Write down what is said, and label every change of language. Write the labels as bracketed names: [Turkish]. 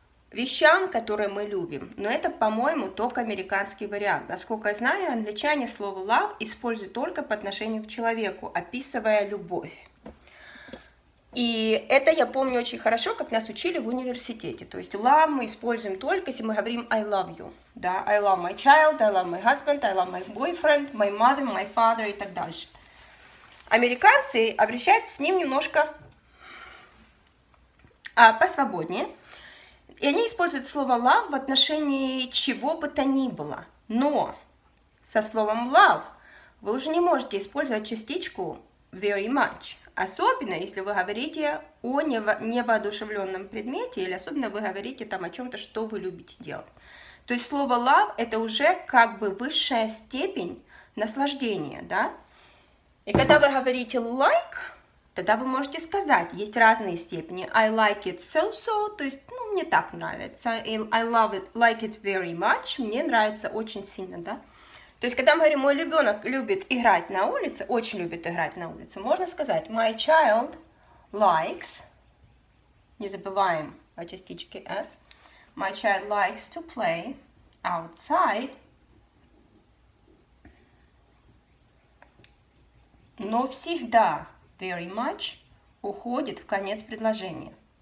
[Russian] вещам, которые мы любим. Но это, по-моему, только американский вариант. Насколько я знаю, англичане слово love используют только по отношению к человеку, описывая любовь. И это я помню очень хорошо, как нас учили в университете. То есть love мы используем только, если мы говорим [English] I love you. [Russian] Да? [English] I love my child, I love my husband, I love my boyfriend, my mother, my father [Russian] и так дальше. Американцы обращаются с ним немножко посвободнее. И они используют слово love в отношении чего бы то ни было. Но со словом love вы уже не можете использовать частичку very much. Особенно, если вы говорите о невоодушевленном предмете, или особенно вы говорите там о чем-то, что вы любите делать. То есть слово love – это уже как бы высшая степень наслаждения, да? И когда вы говорите like, тогда вы можете сказать, есть разные степени. [English] I like it so-so, [Russian] то есть, ну, мне так нравится. [English] I love it, like it very much, [Russian] мне нравится очень сильно, да? То есть, когда мы говорим, мой ребенок любит играть на улице, очень любит играть на улице, можно сказать, [English] my child likes, [Russian] не забываем о частичке s, [English] my child likes to play outside, [Russian] но всегда very much уходит в конец предложения.